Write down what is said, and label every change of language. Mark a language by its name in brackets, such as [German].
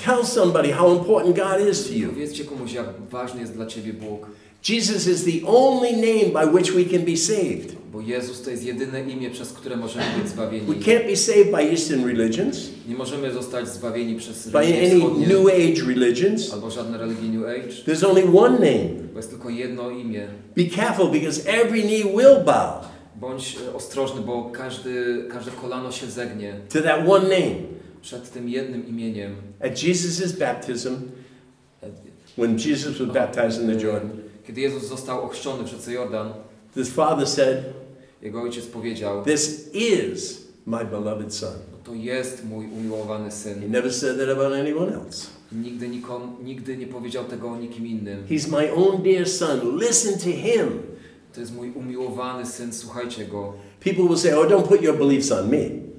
[English] Tell somebody how important God is to you. [Polish] Powiedzcie komuś, jak ważny jest dla ciebie Bóg. [English] Jesus is the only name by which we can be saved. [Polish] Bo Jezus to jest jedyne imię, przez które możemy być zbawieni. [English] We can't be saved by Eastern religions. [Polish] Nie możemy zostać zbawieni przez religie wschodnie. [English] By any New Age religions. [Polish] Albo żadne religie New Age. [English] There's only one name. [Polish] Bo jest tylko jedno imię. [English] Be careful, because every knee will bow. [Polish] Bądź ostrożny, bo każde kolano się zegnie. [English] To that one name. [Polish] Przed tym jednym imieniem. [English] At Jesus' baptism, when Jesus was baptized in the Jordan, [Polish] kiedy Jezus został ochrzczony w rzece Jordan, [English] this father said, [Polish] jego ojciec powiedział, [English] this is my beloved son. [Polish] To jest mój umiłowany syn. [English] He never said that about anyone else. [Polish] Nigdy nie powiedział tego o nikim innym. [English] He's my own dear son. Listen to him. [Polish] To jest mój umiłowany syn, słuchajcie go. [English] People will say, oh, don't put your beliefs on me.